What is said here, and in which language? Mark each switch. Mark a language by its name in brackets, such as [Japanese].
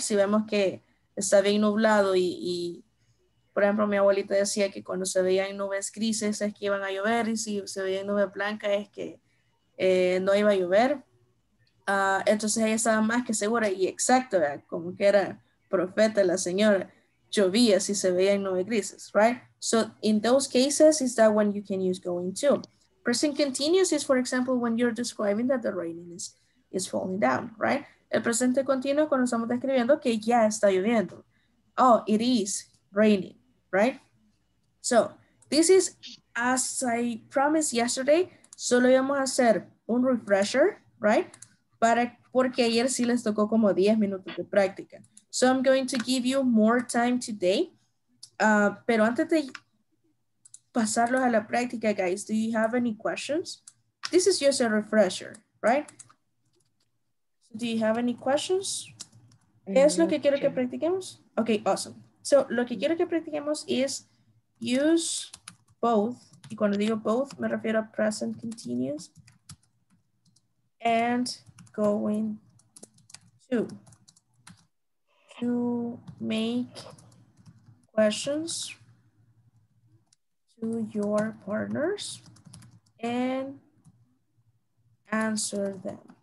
[Spanish] Si vemos que está bien nublado y por ejemplo, mi abuelita decía que cuando se veían nubes grises es que iban a llover y si se veía nube blanca es que no iba a llover. Entonces ella estaba más que segura y exacto, ¿verdad? Como que era profeta la señora, llovía si se veía en nubes grises, right? [English] So in those cases is that when you can use going to. Present continuous is for example when you're describing that the rain is falling down, right? [Spanish] El presente continuo cuando estamos describiendo que ya está lloviendo. [English] Oh, it is raining, right? So this is, as I promised yesterday, [Spanish] solo íbamos a hacer un [English] refresher, right? [Spanish] Porque ayer sí les tocó como 10 minutos de práctica. [English] So I'm going to give you more time today. [Spanish] Pero antes de pasarlos a la práctica, [English] guys, do you have any questions? This is just a refresher, right? So do you have any questions? [Spanish] ¿Qué es lo que quiero que practiquemos? [English] Okay, awesome. So [Spanish] lo que quiero que practiquemos [English] is use both. [Spanish] Y cuando digo both, me refiero a present continuous. [English] And going to make questions to your partners and answer them.